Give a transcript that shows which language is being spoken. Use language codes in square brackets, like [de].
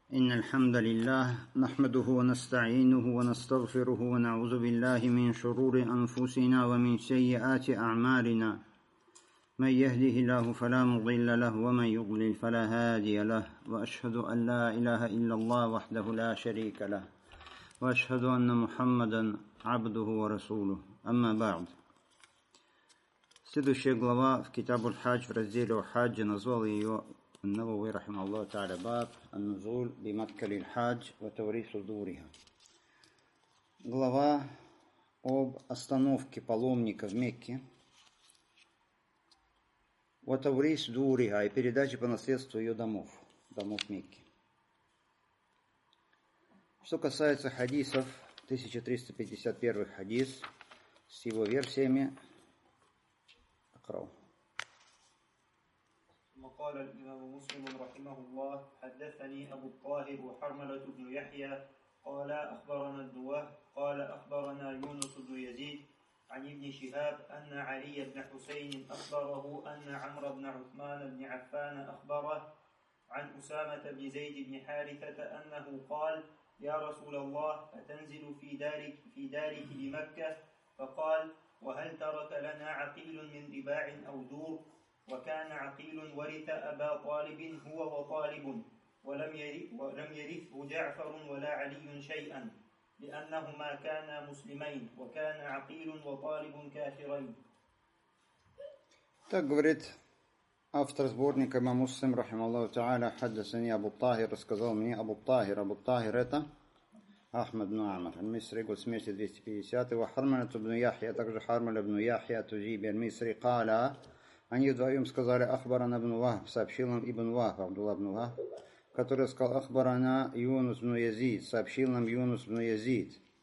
[ar] إن الحمد لله نحمده ونستعينه ونستغفره ونعوذ بالله من شرور أنفسنا ومن سيئات أعمالنا من يهده الله فلا مضل له ومن يضلل فلا هادي له وأشهد أن لا إله إلا الله وحده لا شريك له وأشهد أن محمدا عبده ورسوله أما بعد. [ru] Следующая глава в Китабу аль-Хадж, в разделе Хадж, назвал ее Ан-Навави рахимаху тааля баб Ан-Нузуль би Маккати аль-Хадж ва Таврих судуриха. Глава об остановке паломника в Мекке. Ва Таврих судуриха, и передаче по наследству ее домов, домов Мекки. Что касается хадисов, 1351 хадис с его версиями. [ar] وقال الإمام مسلم رحمه الله حدثني أبو الطاهر وحرملة بن يحيى قال أخبرنا الدوه قال أخبرنا يونس بن يزيد عن ابن شهاب أن علي بن حسين أخبره أن عمرو بن عثمان بن عفان أخبره عن أسامة بن زيد بن حارثة أنه قال يا رسول الله أتنزل في دارك في دارك بمكة فقال وهل ترك لنا عقيل من ذباع أو دور؟ وكان عقيل ورث أبا طالب هو وطالب ولم يرثه جعفر ولا علي شيئا لأنهما كانا مسلمين وكان عقيل وطالب كافرين. [ru] Так говорит автор сборника имам Муслим рахимаху тааля, хаддасани Абу Тахир, рассказал мне Абу Тахир. Абу Тахир это Ахмад ибн Амар, аль-Мисри, год смерти 250-й, ва Хармалат ибн Яхья, также Хармал ибн Яхья, Тузиби, аль-Мисри, Кала, они вдвоем сказали, Ахбарана ибн Вахб, сообщил нам ибн Вахб, Абдулла ибн Вахб, который сказал, Ахбарана Юнус ибн Язид, сообщил нам Юнус ибн Язид,